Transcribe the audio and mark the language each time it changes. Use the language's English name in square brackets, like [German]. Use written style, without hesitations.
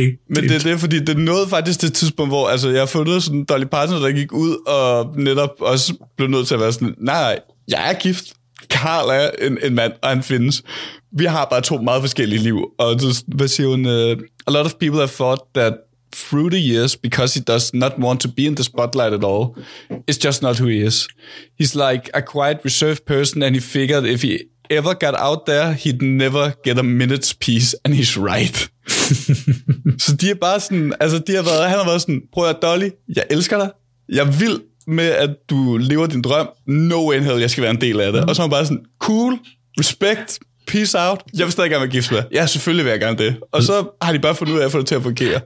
[Danish] Men det er fordi, det nåede faktisk det tidspunkt, hvor altså, jeg har fundet sådan Dolly Parton, der gik ud og netop også blev nødt til at være sådan, nej, jeg er gift. Carl er en mand, og han findes. Vi har bare to meget forskellige liv. Og hvad siger hun? [English] A lot of people have thought that through the years, because he does not want to be in the spotlight at all, it's just not who he is. He's like a quiet, reserved person, and he figured if he ever got out there, he'd never get a minute's peace, and he's right. [Danish] Så de er bare sådan, altså de har været, han har været sådan, prøv at høre, Dolly, jeg elsker dig, jeg vil med, at du lever din drøm, [English] no way in hell, [Danish] jeg skal være en del af det. Og så er bare sådan, [English] cool, respect, peace out, [Danish] jeg vil stadig gerne være gift med. Ja, selvfølgelig vil jeg gerne det. Og så har de bare fundet ud af at få det til at fungere.